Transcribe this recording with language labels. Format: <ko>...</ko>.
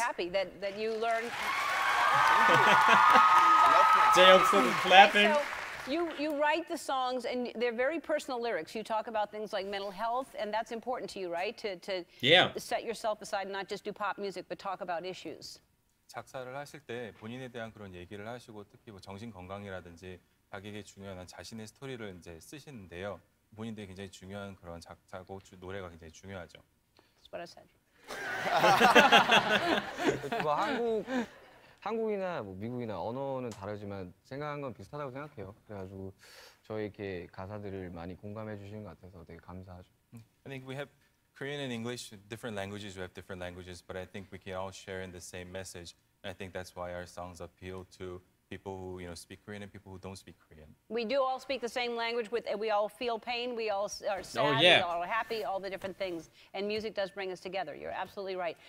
<en>Happy that you learned. Thank you. Dale's clapping. Okay, so, You write the songs, and they're very personal lyrics. You talk about things like mental health, and that's important to you, right? To set yourself aside and not just do pop music, but talk about issues.</en> <ko>작사를 하실 때 본인에 대한 그런 얘기를 하시고 특히 뭐 정신 건강이라든지 자기에게 중요한 자신의 스토리를 이제 쓰시는데요. 본인들이 굉장히 중요한 그런 작곡 노래가 굉장히 중요하죠.</ko> <en>That's what I said.</en> <ko>뭐 한국 한국이나 뭐 미국이나 언어는 다르지만 생각한 건 비슷하다고 생각해요. 그래가지고 저 이렇게 가사들을 많이 공감해 주시는 것 같아서 되게 감사하죠.</ko> <en>I think we have Korean and English, different languages. We have different languages, but I think we can all share in the same message. And I think that's why our songs appeal to people who, you know, speak Korean and people who don't speak Korean. We do all speak the same language. We all feel pain. We all are sad. Oh, yeah. We all are happy. All the different things. And music does bring us together. You're absolutely right.</en>